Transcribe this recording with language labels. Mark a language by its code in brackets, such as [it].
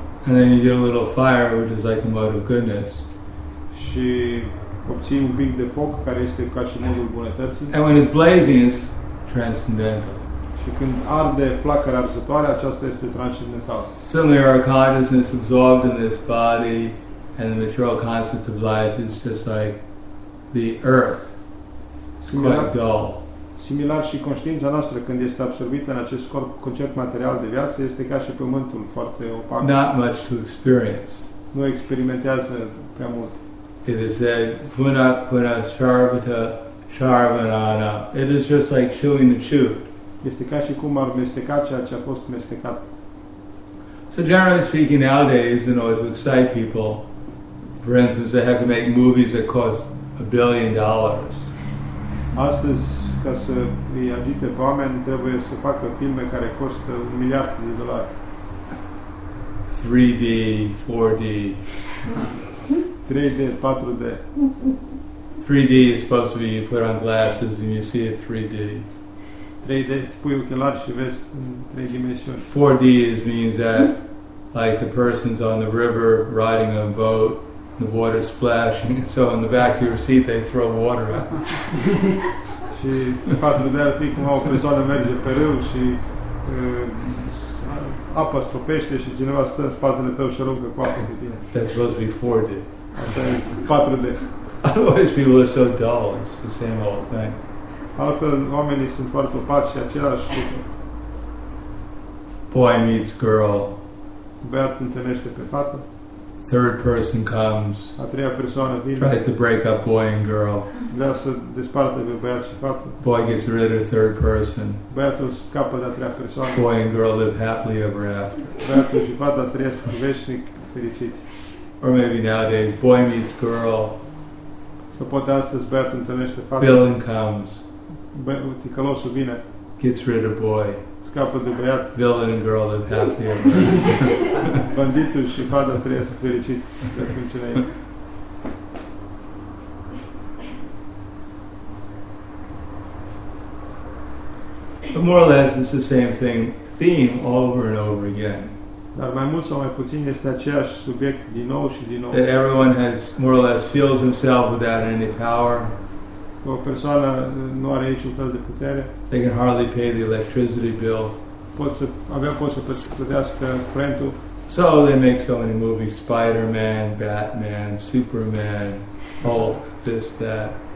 [en] And then you get a little fire, which is like the mode of goodness. [ro] Și obții un pic de foc, care este ca și modul bunătății. [en] And when it's blazing, it's transcendental. [ro] Și când arde flacăra arzătoare, aceasta este transcendentală. [en] Similarly, our consciousness absorbed in this body and the material concept of life is just like the earth. It's quite dull. [ro] Similar și conștiința noastră când este absorbită în acest corp, concept material de viață, este ca și pământul, foarte opac. [en] Not much to experience. [ro] Nu experimentează prea mult. [en] It is said, [sa] puna puna sharvata sharvanana. [en] It is just like chewing the chew. [ro] Este ca și cum ar mesteca ceea ce a fost mestecat. [en] So generally speaking, nowadays, in order to excite people, for instance, they have to make movies that cost $1 billion. [ro] Astăzi, ca să îi agite pe oameni, trebuie să facă filme care costă $1 miliard. [en] 3D, 4D. [ro] 3D, 4D. [en] 3D is supposed to be you put on glasses and you see it 3D. [ro] 3D, îți pui ochelari și vezi în 3 dimensiuni. [en] 4D is means that, like the person's on the river riding on a boat, the water splashing, so in the back of your seat they throw water at [ro] și în patru de arti cum o persoană merge pe râu și apa stropește și cineva stă în spatele tău și aruncă cu apă pe tine. [en] That's supposed to be 4D. [ro] Asta e 4D. [en] Otherwise people are so dull, it's the same old thing. [ro] Altfel oamenii sunt foarte opaci și același lucru. [en] Boy meets girl. [ro] Băiat întâlnește pe fată. [en] Third person comes, [ro] a treia persoană vine, [en] tries to break up boy and girl. [ro] Vrea să despartă pe băiat și fată. [en] Boy gets rid of third person. [ro] Băiatul scapă de a treia persoană. [en] Boy and girl live happily ever after. [ro] Băiatul și fata trăiesc veșnic fericiți. [en] Or maybe nowadays, boy meets girl. [ro] Sau poate astăzi băiat întâlnește fată. [en] Villain comes. [ro] Ticălosul vine. [en] Gets rid of boy. [ro] Scapă de băiat. [en] Villain and girl live happily ever after. [ro] Banditul și fata trăiesc fericiți de atunci înainte. [en] But more or less, it's the same thing, theme over and over again. [ro] Dar mai mult sau mai puțin este aceeași subiect din nou și din nou. [en] That everyone has more or less feels himself without any power. [ro] O persoană nu are niciun fel de putere. [en] They can hardly pay the electricity bill. [ro] Poți să plătească curentul. [en] So they make so many movies, Spider-Man, Batman, Superman, Hulk, this, that.